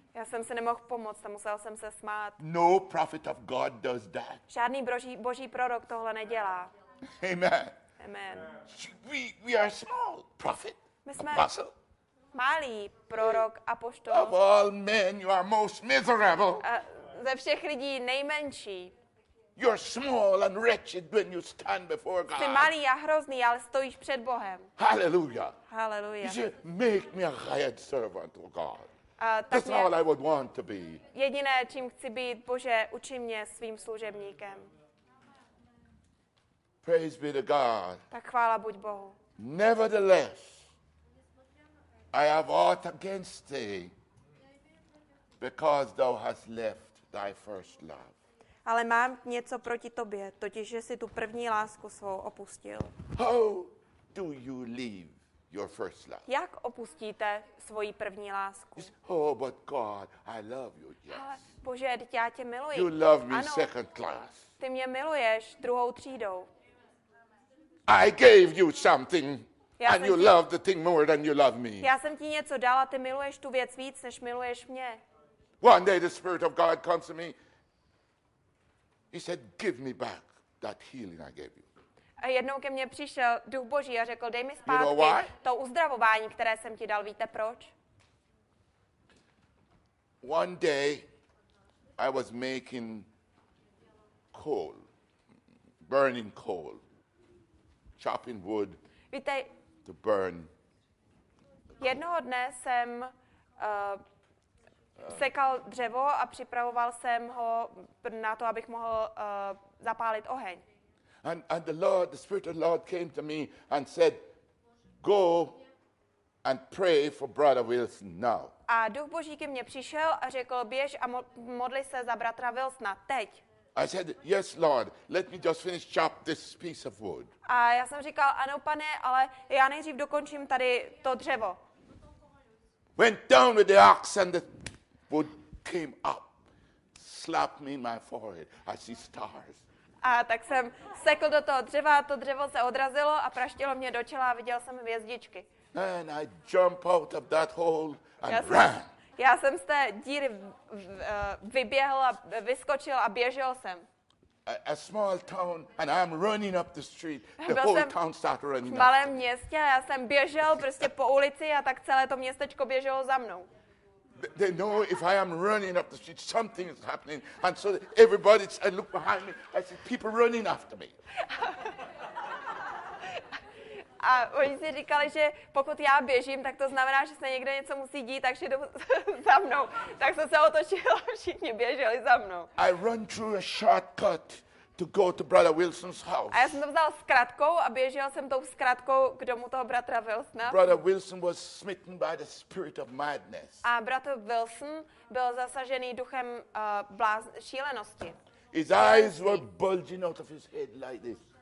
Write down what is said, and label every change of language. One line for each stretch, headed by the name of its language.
Czech: Já jsem se nemohl pomoct, a musel jsem se smát.
English: No prophet of God does that.
Czech: Žádný Boží prorok tohle nedělá.
English: Amen. Amen. We are small prophet.
Czech: My jsme
English: apostle.
Czech: Malý prorok apoštol.
English: Of all men you are most miserable.
Czech: Ze všech lidí nejmenší.
English: You're small and wretched when you stand before God.
Czech: Jsi malý a hrozný, ale stojíš před Bohem.
English: Hallelujah. Hallelujah. You say, make me a hired servant of God. That's all I would want to be.
Czech: Jediné, čím chci být, Bože, učiň mě svým služebníkem.
English: Praise be to God.
Czech: Tak chvála buď Bohu.
English: Nevertheless, I have aught against thee, because thou hast left thy first love.
Czech: Ale mám něco proti tobě, totiž že jsi tu první lásku svou opustil.
English: How do you leave your first love?
Czech: Jak opustíte svoji první lásku?
English: Oh, but God, I love you, yes.
Czech: Ale Bože, já tě miluji.
English: You love me second class.
Czech: Ty mě miluješ druhou třídou.
English: I gave you something, and you love the thing more than you love me.
Czech: Já jsem ti něco dal a ty miluješ tu věc víc, než miluješ mě.
English: One day the Spirit of God comes to me. He said, give me back that healing I gave you.
Czech: A jednou ke mně přišel Duch Boží a řekl, dej mi zpátky to uzdravování, které jsem ti dal. Víte proč?
English: One day I was making coal, burning coal. Chopping wood.
Czech: Víte,
English: to burn.
Czech: Jednoho dne jsem sekal dřevo a připravoval jsem ho na to, abych mohl zapálit oheň.
English: And the Lord, the Spirit of the Lord came to me and said, go and pray for Brother Wilson now.
Czech: A Duch Boží ke mně přišel a řekl, běž a modli se za bratra Wilsona teď.
English: I said, yes, Lord, let me just finish chop this piece of wood.
Czech: A já jsem říkal, ano, pane, ale já nejdřív dokončím tady to dřevo.
English: Went down with the ox and the wood came up. Slapped me in my forehead. I see stars.
Czech: A tak jsem sekl do toho dřeva, to dřevo se odrazilo a praštilo mě do čela a viděl jsem hvězdičky.
English: And I jump out of that hole and ran.
Czech: Já jsem z té díry vyběhl a vyskočil a běžel jsem.
English: A small town and I'm running up the street. The whole town started running.
Czech: V malém městě a já jsem běžel prostě po ulici a tak celé to městečko běželo za mnou.
English: They know if I am running up the street, something is happening. And so everybody said, look behind me. I see people running after me.
Czech: A oni si říkali, že pokud já běžím, tak to znamená, že se někde něco musí dít, takže jdu za mnou. Tak jsem se otočil a všichni běželi za mnou.
English: I run through a shortcut to go to Brother Wilson's house.
Czech: A já jsem to vzal zkratkou a běžel jsem tou zkratkou k domu toho bratra Wilsona.
English: Brother Wilson was smitten by the spirit of madness.
Czech: A bratr Wilson byl zasažený duchem šílenosti.
English: His eyes were bulging out of his head like this.